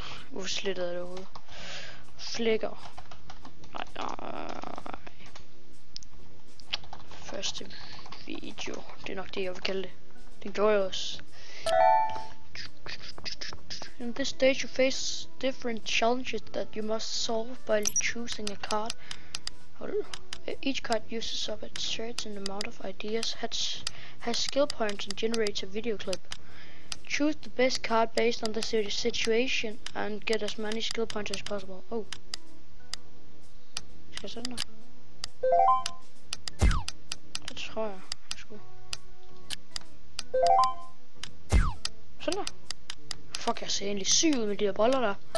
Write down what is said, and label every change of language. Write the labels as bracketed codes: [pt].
[da] Hvorfor slettede jeg det overhovedet? Flækker. Nej. Første video. Det er nok det, jeg vil kalde det. Det gjorde jeg også. [en] In this stage, you face different challenges that you must solve by choosing a card. Each card uses up a certain amount of ideas, has skill points and generates a video clip. Choose the best card based on the situation and get as many skill points as possible. Oh. [da] Skal jeg sætte den der? Det tror jeg. Værsgo. Fuck, jeg ser egentlig syg ud med de der boller der.